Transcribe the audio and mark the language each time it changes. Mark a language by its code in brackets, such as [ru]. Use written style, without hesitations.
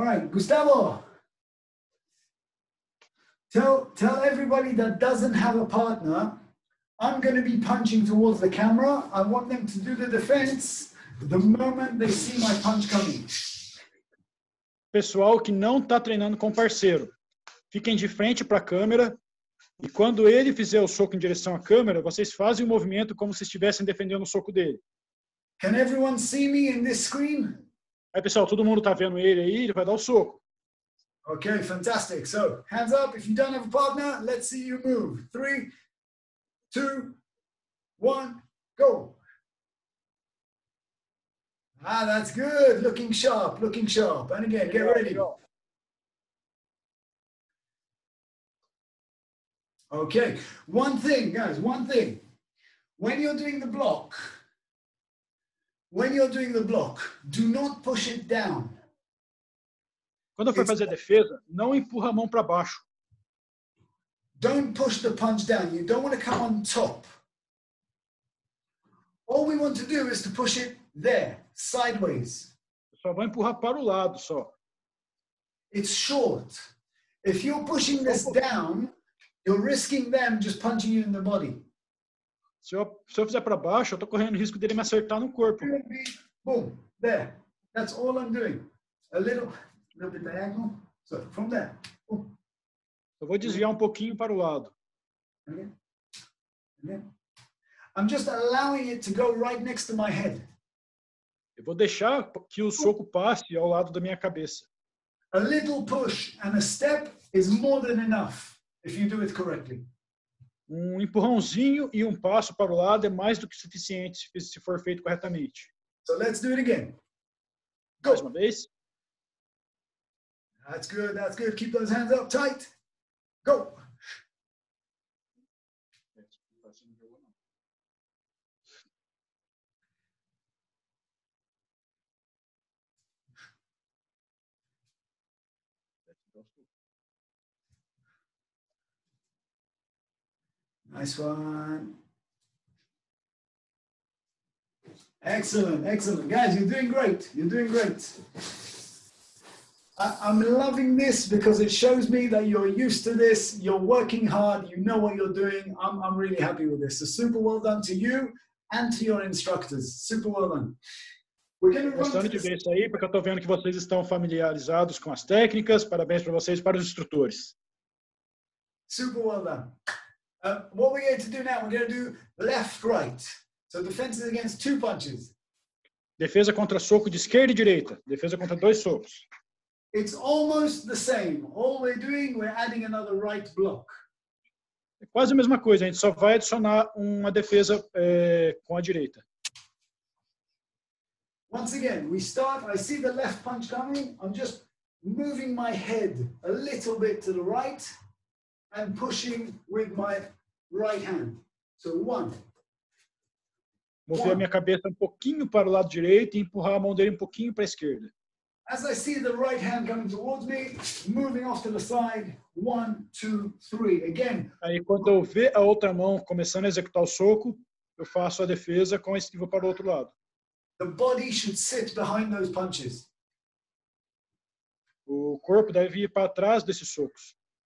[en] Gustavo, tell everybody that doesn't have a partner, I'm going to be punching towards the camera. I want them to do the defense the moment they see my punch coming. [pt] Pessoal que não está treinando com parceiro, fiquem de frente para a câmera e quando ele fizer o soco em direção à câmera, vocês fazem o movimento como se estivessem defendendo o soco dele. [en] Can everyone see me in this screen? [pt] Aí, pessoal, todo mundo tá vendo ele aí, ele vai dar o soco. [en] Okay, fantastic. So, hands up, if you don't have a partner, let's see you move. Three, two, one, go. Ah, that's good. Looking sharp, looking sharp. And again, get ready. Okay, one thing, guys, one thing. When you're doing the block, do not push it down. [pt] Quando for fazer a defesa, não empurra a mão para baixo. [en] Don't push the punch down. You don't want to come on top. All we want to do is to push it there, sideways. [pt] Só vai empurrar para o lado, só. [en] It's short. If you're pushing this down, you're risking them just punching you in the body. [pt] Se eu fizer para baixo, eu tô correndo o risco dele me acertar no corpo. [en] Boom, there. That's all I'm doing. A little bit diagonal. So, from there. Boom. [pt] Eu vou desviar um pouquinho para o lado. [en] Okay. I'm just allowing it to go right next to my head. [pt] Eu vou deixar que o soco passe ao lado da minha cabeça. [en] A little push and a step is more than enough if you do it correctly. [pt] Um empurrãozinho e um passo para o lado é mais do que suficiente se for feito corretamente. [en] So let's do it again. Go. [pt] Mais uma vez. [en] That's good, that's good. Keep those hands up tight. Go. Nice one. Excellent, excellent. Guys, you're doing great. You're doing great. I'm loving this because it shows me that you're used to this. You're working hard. You know what you're doing. I'm really happy with this. So super well done to you and to your instructors. Super well done. [pt] Gostando de ver isso aí, porque eu estou vendo que vocês estão familiarizados com as técnicas. Parabéns para vocês e para os instrutores. [en] Super well done. What we're going to do now, we're going to do left, right. So defense is against two punches. [pt] Defesa contra soco de esquerda e direita. Defesa contra dois socos. [en] It's almost the same. All we're doing, we're adding another right block. [pt] É quase a mesma coisa. A gente só vai adicionar uma defesa com a direita. [en] Once again, we start. I see the left punch coming. I'm just moving my head a little bit to the right. And pushing with my right hand. So one. [pt] Mover a minha cabeça um pouquinho para o lado direito e empurrar a mão dele um pouquinho para a esquerda. [en] As I see the right hand coming towards me, moving off to the side. One, two, three. Again. [pt] Aí quando eu ver a outra mão começando a executar o soco, eu faço a defesa com a esquiva para o outro lado. [en] The body should sit behind those punches. [pt] O corpo deve ir para trás desses socos.